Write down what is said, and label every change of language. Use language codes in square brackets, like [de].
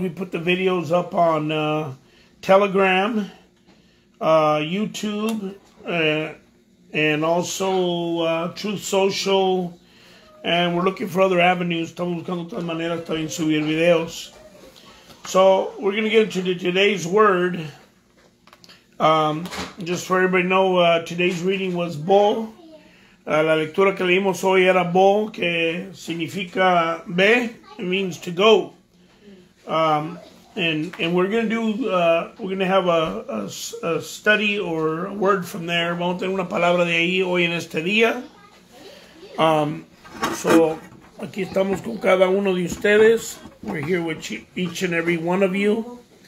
[en] We put the videos up on Telegram, YouTube, and also Truth Social. And we're looking for other avenues. [es] Estamos buscando otras maneras también subir videos. [en] So we're going to get into today's word. Just for everybody to know, today's reading was Bo. [es] La lectura que leímos hoy era Bo, que significa ve. [en] It means to go, and we're gonna do we're gonna have a study or a word from there. [es] Vamos a tener una palabra de ahí hoy en este día. So aquí estamos con cada uno de ustedes. [en] We're here with each and every one of you.